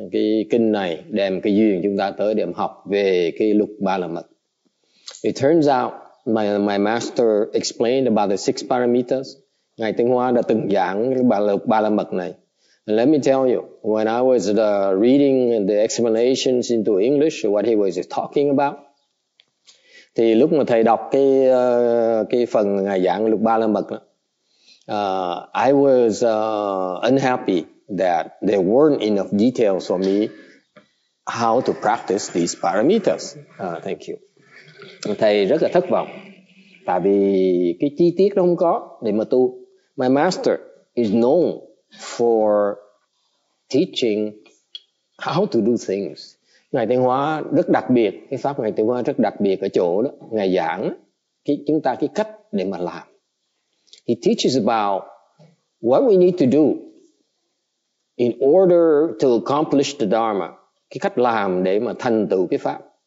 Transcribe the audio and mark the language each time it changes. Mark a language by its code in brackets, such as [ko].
[vi] Cái kinh này đem cái duyên chúng ta tới điểm học về cái lục ba la mật. [en] It turns out my master explained about the six paramitas. [vi] Ngài Tinh Hoa đã từng giảng lục ba la mật này. [en] Let me tell you, when I was reading the explanations into English, what he was talking about, [vi] thì lúc mà thầy đọc cái phần ngài giảng lục ba la mật, [en] I was unhappy that there weren't enough details for me how to practice these parameters. Thank you. [vi] Thầy rất là thất vọng, tại vì cái chi tiết nó không có để mà tu. [en] My master is known for teaching how to do things. [vi] Ngài Tinh Hoa rất đặc biệt, cái pháp Ngài Tinh Hoa rất đặc biệt ở chỗ đó, ngài giảng chúng ta cái cách để mà làm. [en] He teaches about what we need to do in order to accomplish the Dharma, [vi] cái cách làm để mà thành tựu cái pháp.